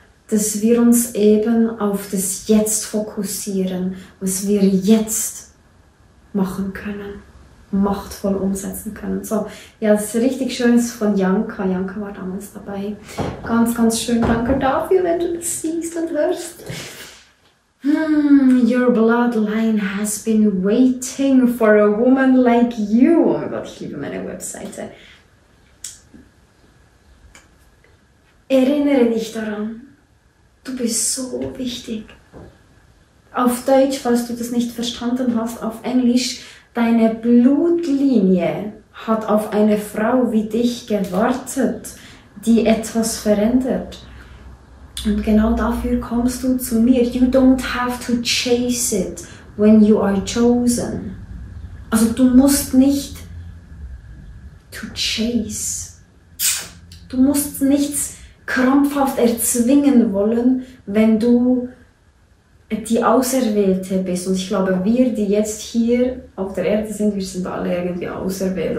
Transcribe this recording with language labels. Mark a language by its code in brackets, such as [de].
[de] Dass wir uns eben auf das Jetzt fokussieren, was wir jetzt machen können. Machtvoll umsetzen können. So, ja, das ist richtig schön von Janka. Janka war damals dabei. Ganz, ganz schön. Danke dafür, wenn du das siehst und hörst. [en] Your bloodline has been waiting for a woman like you. [de] Oh mein Gott, ich liebe meine Webseite. Erinnere dich daran. Du bist so wichtig. Auf Deutsch, falls du das nicht verstanden hast, auf Englisch. Deine Blutlinie hat auf eine Frau wie dich gewartet, die etwas verändert. Und genau dafür kommst du zu mir. [en] You don't have to chase it when you are chosen. [de] Also du musst nicht [en] to chase. [de] Du musst nichts krampfhaft erzwingen wollen, wenn du die Auserwählte bist. Und ich glaube, wir, die jetzt hier auf der Erde sind, wir sind alle irgendwie auserwählt.